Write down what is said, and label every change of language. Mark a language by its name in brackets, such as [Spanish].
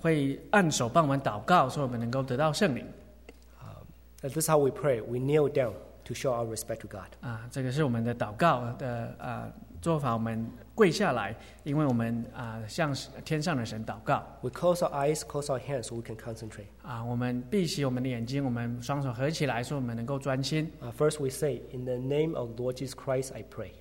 [Chinese] 我们的传道长职们他们会按手帮我们祷告，所以我们能够得到圣灵。 [English] This is how we pray. We kneel down to show our respect to God. [Chinese] 这个是我们的祷告的做法，我们。跪下来，因为我们向天上的神祷告。 [English] We close our eyes, close our hands, so we can concentrate. [Chinese] 我们闭起我们的眼睛，我们双手合起来，说我们能够专心。 [English] First, we say, "In the name of Lord Jesus Christ, I pray."